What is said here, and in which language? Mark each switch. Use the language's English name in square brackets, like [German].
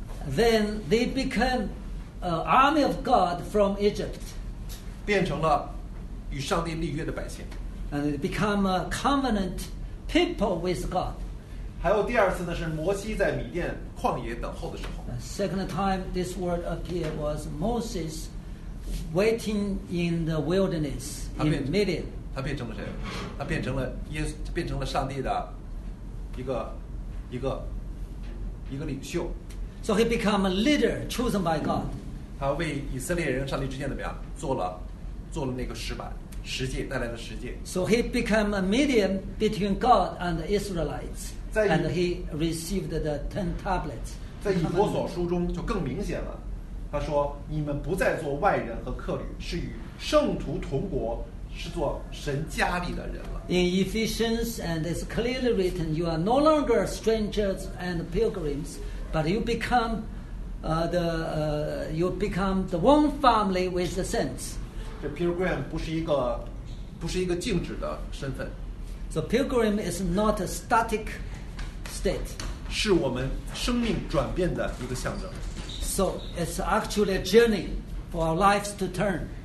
[English] Then they became army of God from Egypt. [Chinese] 变成了与上帝立约的百姓。 [English] And they become a covenant people with God. [Chinese] 还有第二次呢，是摩西在米甸旷野等候的时候。 [English] Second time this word appeared was Moses waiting in the wilderness in Midian. [Chinese] 他变成了谁？他变成了耶稣，变成了上帝的一个领袖。 [English] So he became a leader chosen by God. [Chinese] 他为以色列人上帝之间怎么样做了那个石板，十诫带来的十诫。 [English] So he became a medium between God and the Israelites, and he received the ten tablets. [Chinese] 在以弗所书中就更明显了，他说：“你们不再做外人和客旅，是与圣徒同国。” 是做神家里的人了。 [English] In Ephesians, and it's clearly written, you are no longer strangers and pilgrims, but you become, you become the one family with the saints. [Chinese] 这 pilgrim 不是一个静止的身份。 [English] So pilgrim is not a static state. [Chinese] 是我们生命转变的一个象征。 [English] So it's actually a journey for our lives to turn.